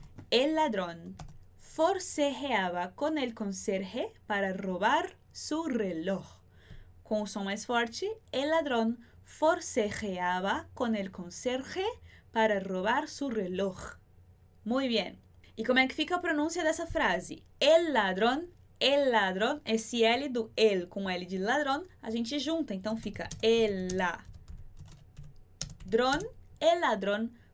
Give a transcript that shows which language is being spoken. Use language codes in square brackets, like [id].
[es] El ladrón forcejeaba con el conserje para robar su reloj. [pt] Com o som mais forte, [es] el ladrón forcejeaba con el conserje para robar su reloj. Muy bien. [pt] E como é que fica a pronúncia dessa frase? El ladrón, esse L do el com L de ladrón, a gente junta, então fica [es] el ladrón, el ladrón